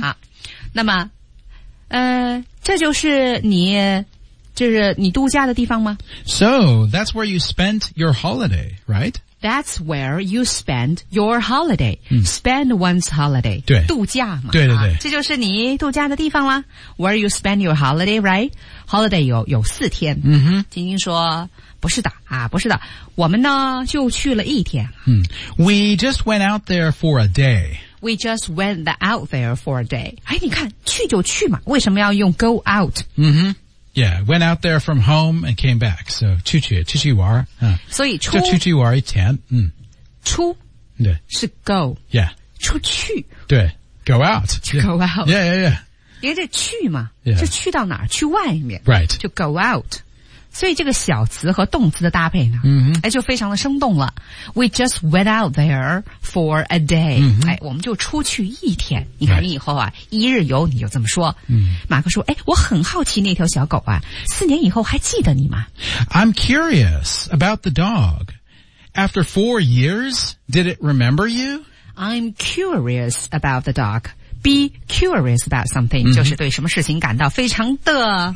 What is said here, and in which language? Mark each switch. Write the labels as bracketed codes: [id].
[zh] 好那么这就是你就是你度假的地方吗 [en] So that's where you spent your holiday, right? That's where you spend your holiday.、嗯、 spend one's holiday. [zh] 对度假嘛。对对对、啊。这就是你度假的地方啦。 [en] Where you spend your holiday, right? Holiday [zh] 有四天。嗯哼。晶晶说不是的啊不是的。我们呢就去了一天。嗯。 [en] We just went out there for a day. We just went out there for a day. [zh] 哎你看去就去嘛。为什么要用 go out? 嗯哼。 [en] Yeah, went out there from home and came back. [zh] So, 出去，出去玩。所以出，就出去玩一天。嗯，出，对，是 go. [en] Yeah. [zh] 出去。 [en] 对 ,go out. Go out. Yeah, yeah, yeah. [zh] 因为这去嘛。 [en] Yeah. [zh] 就去到哪儿？去外面。 [en] Right. 就 go out. [zh] 所以这个小词和动词的搭配呢、 mm-hmm. 哎、就非常的生动了。 [en] We just went out there for a day.、 Mm-hmm. [zh] 哎、我们就出去一天。你看你以后啊、 [en] right. [zh] 一日游你就这么说。 Mm-hmm. 马克说、哎、我很好奇那条小狗啊四年以后还记得你吗 [en] ?I'm curious about the dog. After 4 years, did it remember you? I'm curious about the dog. Be curious about something,、mm-hmm. [zh] 就是对什么事情感到非常的。